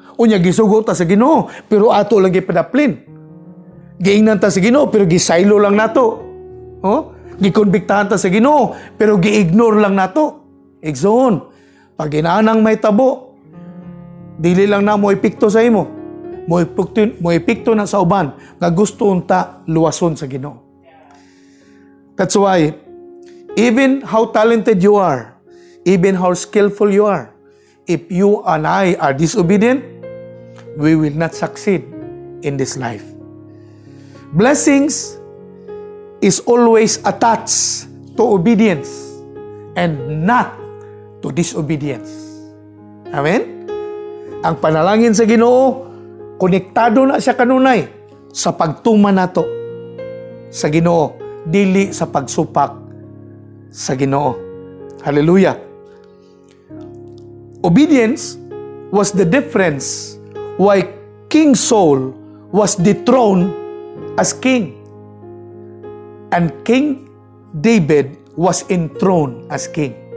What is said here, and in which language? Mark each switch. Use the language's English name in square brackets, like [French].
[Cebuano] Unya gisugo ta sa Ginoo pero ato lang gipadaplin. Giingnan ta sa Ginoo pero gisaylo lang nato. Oh? Gikonbiktahan ta sa Ginoo pero giignore lang nato. Igsoon, pag inaanang may tabo, dili lang na mo ipikto sa imo. Mo ipikto na sa uban nga gusto unta luwason sa Ginoo. [English] That's why even how talented you are, even how skillful you are, if you and I are disobedient, we will not succeed in this life. Blessings is always attached to obedience and not to disobedience. Amen? [Cebuano] Ang panalangin sa Ginoo, konektado na siya kanunay sa pagtuma nato sa Ginoo, dili sa pagsupak sa Ginoo. Hallelujah! [English] Obedience was the difference why King Saul was dethroned as king and King David was enthroned as king.